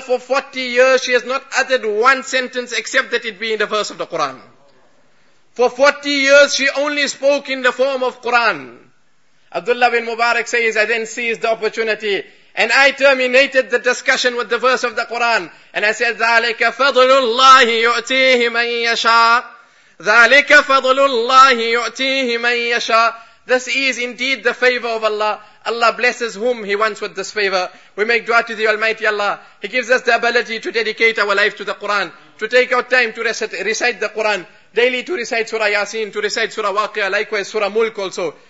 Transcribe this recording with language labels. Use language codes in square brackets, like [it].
[en] For 40 years she has not uttered one sentence except that it be in the verse of the Quran. For 40 years she only spoke in the form of Quran. Abdullah bin Mubarak says, I then seized the opportunity and I terminated the discussion with the verse of the Quran. And I said, [ar] ذَلِكَ فَضْلُ اللَّهِ يُؤْتِيهِ مَنْ يَشَاءُ. ذَلِكَ فَضْلُ اللَّهِ يُؤْتِيهِ مَنْ يَشَاءُ. [en] This is indeed the favor of Allah. Allah blesses whom He wants with this favor. We make dua to the Almighty Allah. He gives us the ability to dedicate our life to the Quran, to take our time to recite the Quran, daily to recite Surah Yasin, to recite Surah Waqia, likewise Surah Mulk also.